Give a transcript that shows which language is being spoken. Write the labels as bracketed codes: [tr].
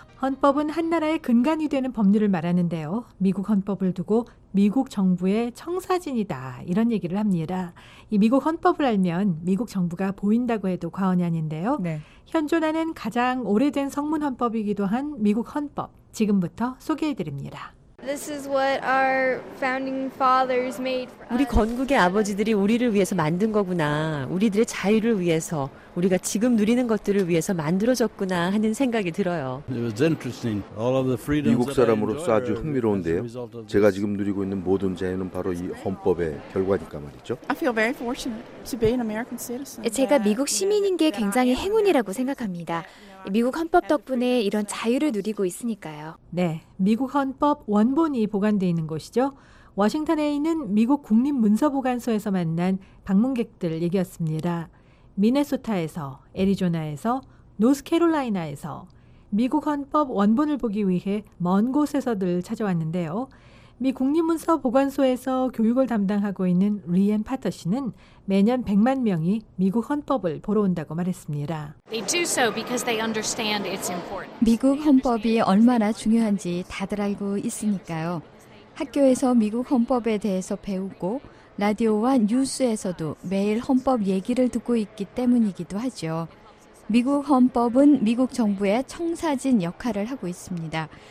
[ko] 헌법은 한 나라의 근간이 되는 법률을 말하는데요. 미국 헌법을 두고 미국 정부의 청사진이다, 이런 얘기를 합니다. 이 미국 헌법을 알면 미국 정부가 보인다고 해도 과언이 아닌데요. 네. 현존하는 가장 오래된 성문 헌법이기도 한 미국 헌법, 지금부터 소개해드립니다. [en] This is what our founding fathers made for us. [ko] 우리 건국의 아버지들이 우리를 위해서 만든 거구나. 우리들의 자유를 위해서, 우리가 지금 누리는 것들을 위해서 만들어졌구나 하는 생각이 들어요. [en] It was interesting. All of the freedoms. [ko] 미국 사람으로서 아주 흥미로운데요. 제가 지금 누리고 있는 모든 자유는 바로 이 헌법의 결과니까 말이죠. [en] I feel very fortunate to be an American citizen. [ko] 제가 미국 시민인 게 굉장히 행운이라고 생각합니다. 미국 헌법 덕분에 이런 자유를 누리고 있으니까요. 네, 미국 헌법 원본이 보관돼 있는 곳이죠. 워싱턴에 있는 미국 국립문서보관소에서 만난 방문객들 얘기였습니다. 미네소타에서, 애리조나에서, 노스캐롤라이나에서 미국 헌법 원본을 보기 위해 먼 곳에서들 찾아왔는데요. 미 국립문서보관소에서 교육을 담당하고 있는 리앤 파터 씨는 매년 100만 명이 미국 헌법을 보러 온다고 말했습니다. [en] They do so because they understand its importance. [ko] 미국 헌법이 얼마나 중요한지 다들 알고 있으니까요. 학교에서 미국 헌법에 대해서 배우고 라디오와 뉴스에서도 매일 헌법 얘기를 듣고 있기 때문이기도 하죠. 미국 헌법은 미국 정부의 청사진 역할을 하고 있습니다.